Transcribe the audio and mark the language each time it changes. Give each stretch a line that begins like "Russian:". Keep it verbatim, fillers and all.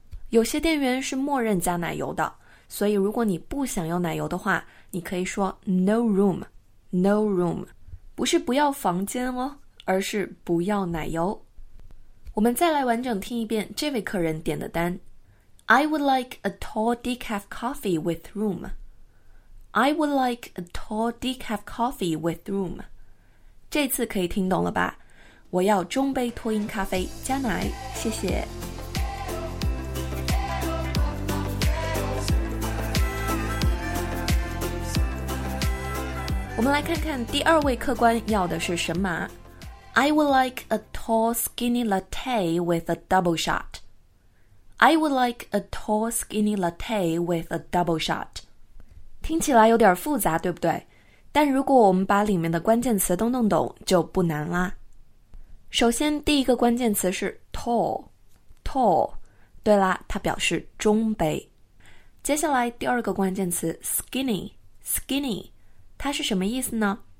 Chinese: 有些店员是默认加奶油的，所以如果你不想要奶油的话，你可以说
English: no room, no room，
Chinese: 不是不要房间哦，而是不要奶油。我们再来完整听一遍这位客人点的单。
English: I would like a tall decaf coffee with room. I would like a tall decaf coffee with room.
Chinese: 这次可以听懂了吧？我要中杯脱音咖啡加奶，谢谢。我们来看看第二位客官要的是什么。
English: I would like a tall skinny latte with a double shot. I would like a tall skinny latte with a double shot.
Chinese: 听起来有点复杂，对不对？但如果我们把里面的关键词都弄懂，就不难啦。首先，第一个关键词是 tall, tall。对啦，它表示中杯。接下来，第二个关键词 skinny, skinny， 它是什么意思呢？